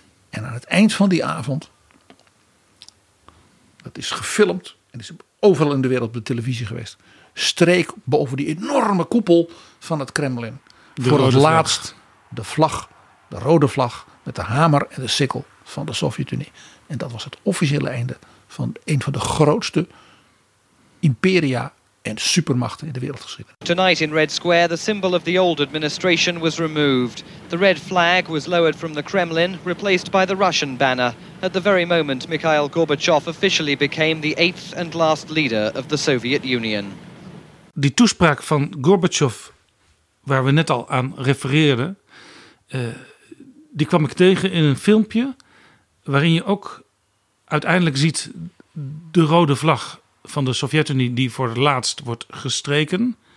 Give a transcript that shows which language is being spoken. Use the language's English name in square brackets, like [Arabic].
[Dutch] En aan het eind van die avond, dat is gefilmd en is overal in de wereld op de televisie geweest, streek boven die enorme koepel van het Kremlin voor het laatst de vlag, de rode vlag met de hamer en de sikkel van de Sovjet-Unie. En dat was het officiële einde van een van de grootste imperia en supermachten in de wereldgeschiedenis. [English] Tonight in Red Square, the symbol of the old administration was removed. The red flag was lowered from the Kremlin, replaced by the Russian banner. At the very moment, Mikhail Gorbachev officially became the eighth and last leader of the Soviet Union. [Dutch] Die toespraak van Gorbachev, waar we net al aan refereerden, die kwam ik tegen in een filmpje waarin je ook uiteindelijk ziet de rode vlag van de Sovjet-Unie die voor het laatst wordt gestreken.